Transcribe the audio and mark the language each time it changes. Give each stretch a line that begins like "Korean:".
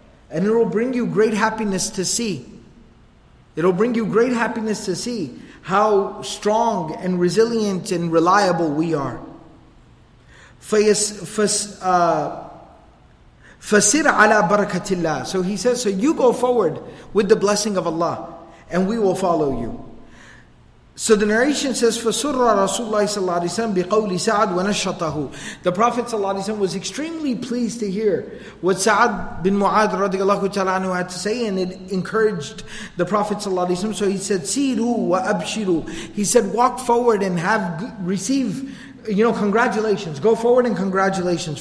English: And it will bring you great happiness to see. It'll bring you great happiness to see how strong and resilient and reliable we are.
Arabic: فَسِرْ عَلَىٰ بَرَكَةِ اللَّهِ.
English: So he says, so you go forward with the blessing of Allah and we will follow you. So the narration says,
Arabic: فَسُرَّ رَسُولَ اللَّهِ صَلَّى اللَّهِ عَلَيْهِ وَسَلَّمَ بِقَوْلِ سَعَدْ وَنَشَّطَهُ.
English: The Prophet ﷺ was extremely pleased to hear what Sa'ad bin Mu'ad radiallahu ta'ala anhu had to say, and it encouraged the Prophet ﷺ. So he said,
Arabic: سِيرُوا وَأَبْشِرُوا.
English: He said, walk forward and have receive, you know, congratulations. Go forward and congratulations.